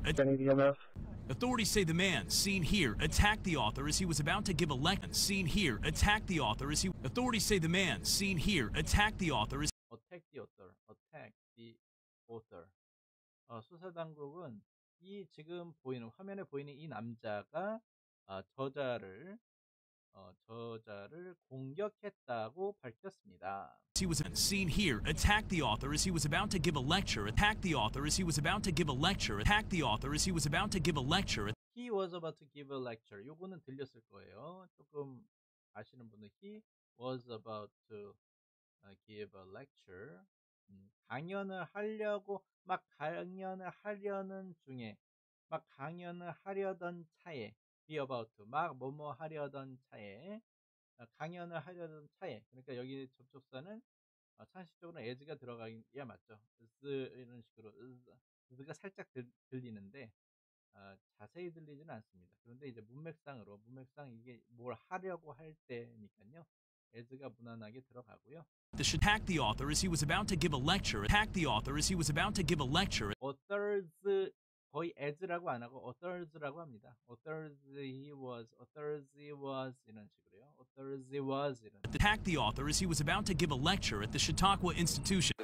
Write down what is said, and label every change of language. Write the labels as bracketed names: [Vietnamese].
[English] Authorities say the man seen here attacked the author as he was about to give a lecture. Seen here attacked the author as he Authorities say the man seen here attacked the author as attacked the author. Attacked the author. [Korean] 수사 당국은 이 지금 보이는 화면에 보이는 이 남자가 저자를 저자를 공격했다고 밝혔습니다. [English] He was seen here. Attack the author as he was about to give a lecture. Attack the author as he was about to give a lecture. Attack the author as he was about to give a lecture. He was about to give a lecture. [Korean] 요거는 들렸을 거예요. 조금 아시는 분은 [English] he was about to give a lecture. [Korean] 강연을 하려고 막 강연을 하려는 중에 막 강연을 하려던 차에 be about to, 막 뭐뭐 하려던 차에 강연을 하려던 차에 그러니까 여기 접속사는 상식적으로 as가 들어가야 맞죠. as 이런 식으로 as가 살짝 들리는데 자세히 들리지는 않습니다. 그런데 이제 문맥상 이게 뭘 하려고 할 때니까요. as가 무난하게 들어가고요. [English] Attack the author as he was about to give a lecture. Attack the author as he was about to give a lecture. [Korean] Authors 거의 as라고 안 하고 authors라고 합니다. [English] Authors he was [Korean] 이런 식으로요. Authors he was 이런. [English] Attack the author as he was about to give a lecture at the Chautauqua Institution.